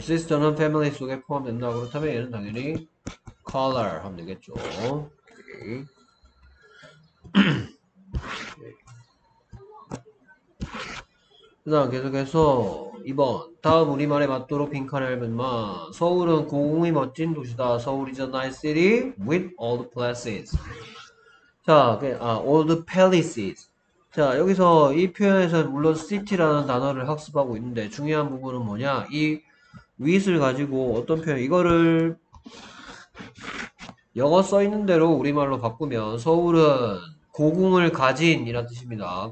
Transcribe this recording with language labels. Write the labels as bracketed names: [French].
[Korean] 시스터는 패밀리 속에 포함된다. 그렇다면 얘는 당연히 컬러 하면 되겠죠. 오케이. 자, 계속해서 2번. 다음 우리말에 맞도록 빈칸을 열면 마. 서울은 고궁이 멋진 도시다. [English] 서울 is a nice city with all the places. 자, all the palaces. [Korean] 자, 여기서 이 표현에서 물론 city라는 단어를 학습하고 있는데 중요한 부분은 뭐냐? 이 with을 가지고 어떤 표현, 이거를 영어 써 있는 대로 우리말로 바꾸면 서울은 고궁을 가진 이란 뜻입니다.